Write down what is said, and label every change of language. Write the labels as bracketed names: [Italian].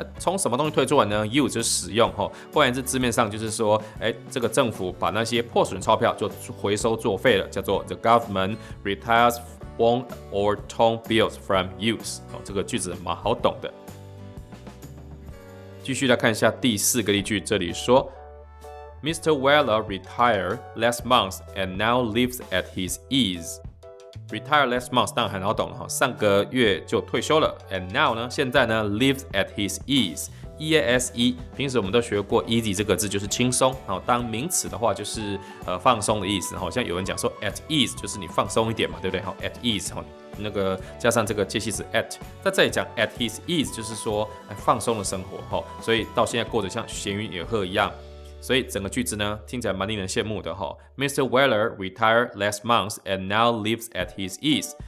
[Chinese] 从什么东西退出来呢 ？Use 就是使用哈，不然这字面上就是说，这个政府把那些破损钞票就回收作废了，叫做 [English] The government retires worn or torn bills from use。 [Chinese] 哦，这个句子蛮好懂的。继续来看一下第四个例句，这里说。 [English] Mr. Weller retired last month and now lives at his ease. Retired last month [Chinese] 当然很好懂了，上个月就退休了。 [English] And now [Chinese] 呢，现在呢 [English] lives at his ease. [Chinese] E-A-S-E， 平时我们都学过 easy 这个字就是轻松，当名词的话就是放松的意思，像有人讲说 [English] at ease [Chinese] 就是你放松一点嘛，对不对？ [English] At ease [Chinese] 那个加上这个介系词 at， 在这里讲 [English] at his ease [Chinese] 就是说放松的生活，所以到现在过得像闲云野鹤一样。所以整个句子呢，听起来蛮令人羡慕的哈。 [English] Mr. Weller retired last month and now lives at his ease。